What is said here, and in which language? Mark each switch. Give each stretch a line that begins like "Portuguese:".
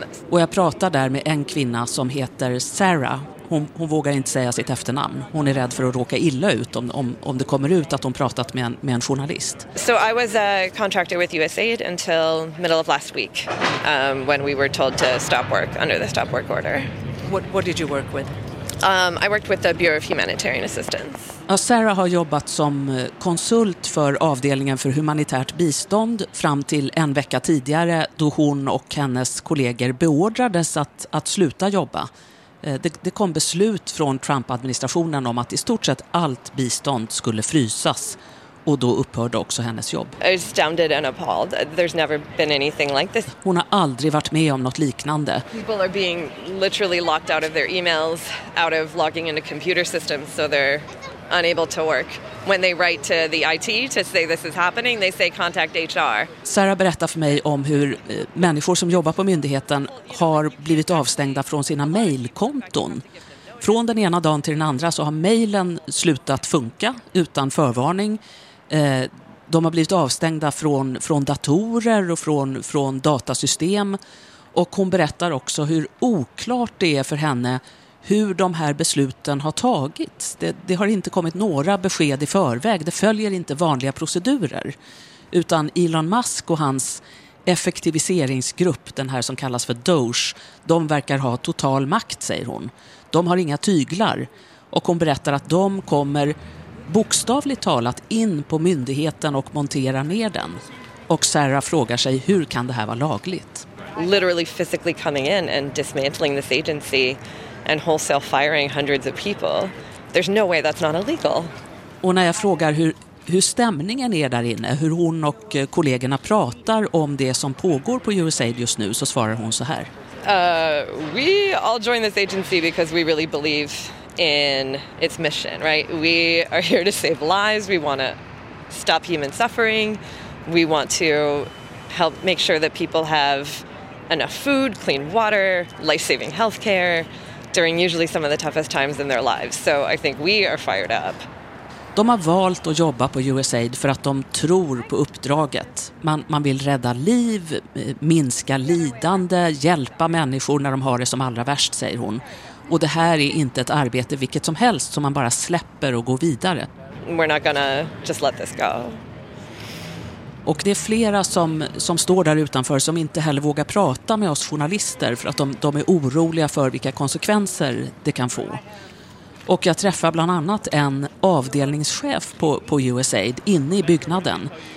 Swedish: Och jag pratar där med en kvinna som heter Sarah. Hon vågar inte säga sitt efternamn. Hon är rädd för att råka illa ut om det kommer ut att hon pratat med en journalist.
English: So I was contracted with USAID until middle of last week when we were told to stop work under the stop work order. What did you work with? I worked with the Bureau of Humanitarian Assistance.
Swedish: Sarah har jobbat som konsult för avdelningen för humanitärt bistånd fram till en vecka tidigare då hon och hennes kollegor beordrades att sluta jobba. Det kom beslut från Trump-administrationen om att i stort sett allt bistånd skulle frysas. Och då upphörde också hennes jobb.
English: I was astounded and appalled. There's never been anything like this.
Swedish: Hon har aldrig varit med om något liknande.
English: People are being literally locked out of their emails, out of logging into computer systems, so they're unable to work. When they write to the IT to say this is happening, they say contact HR.
Swedish: Sarah berättar för mig om hur människor som jobbar på myndigheten har blivit avstängda från sina mailkonton. Från den ena dagen till den andra så har mejlen slutat funka utan förvarning. De har blivit avstängda från datorer och från datasystem. Och hon berättar också hur oklart det är för henne hur de här besluten har tagits. Det har inte kommit några besked i förväg. Det följer inte vanliga procedurer. Utan Elon Musk och hans effektiviseringsgrupp, den här som kallas för Doge, de verkar ha total makt, säger hon. De har inga tyglar och hon berättar att de kommer bokstavligt talat in på myndigheten och monterar ner den. Och Sarah frågar sig, hur kan det här vara lagligt?
English: Literally physically coming in and dismantling this agency and wholesale firing hundreds of people. There's no way that's not illegal.
Swedish: Och när jag frågar hur stämningen är där inne, hur hon och kollegorna pratar om det som pågår på USAID just nu, så svarar hon så här.
English: We all join this agency because we really believe in its mission, right? We are here to save lives. We want to stop human suffering. We want to help make sure that people have enough food, clean water, life-saving healthcare during usually some of the toughest times in their lives. So I think we are fired up.
Swedish: De har valt att jobba på USAID för att de tror på uppdraget. Man vill rädda liv, minska lidande, hjälpa människor när de har det som allra värst, säger hon. Och det här är inte ett arbete vilket som helst som man bara släpper och går vidare.
English: We're not gonna just let this go.
Swedish: Och det är flera som står där utanför som inte heller vågar prata med oss journalister för att de är oroliga för vilka konsekvenser det kan få. Och jag träffar bland annat en avdelningschef på USAID inne i byggnaden.